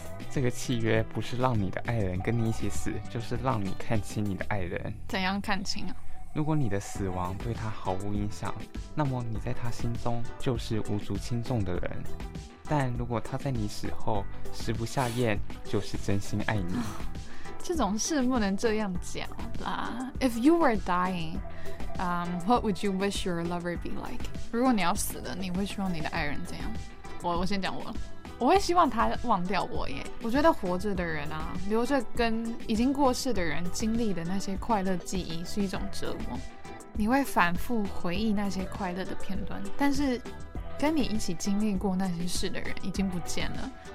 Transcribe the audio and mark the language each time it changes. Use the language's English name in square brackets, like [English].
[Chinese] 这个契约不是让你的爱人跟你一起死，就是让你看清你的爱人。怎样看清啊？如果你的死亡对他毫无影响，那么你在他心中就是无足轻重的人。但如果他在你死后食不下咽，就是真心爱你。这种事不能这样讲啦。 [English] If you were dying, what would you wish your lover be like? [Chinese] 如果你要死了，你会希望你的爱人怎样？我先讲我。我会希望他忘掉我耶。我觉得活着的人啊，留着跟已经过世的人经历的那些快乐记忆是一种折磨。你会反复回忆那些快乐的片段，但是跟你一起经历过那些事的人已经不见了。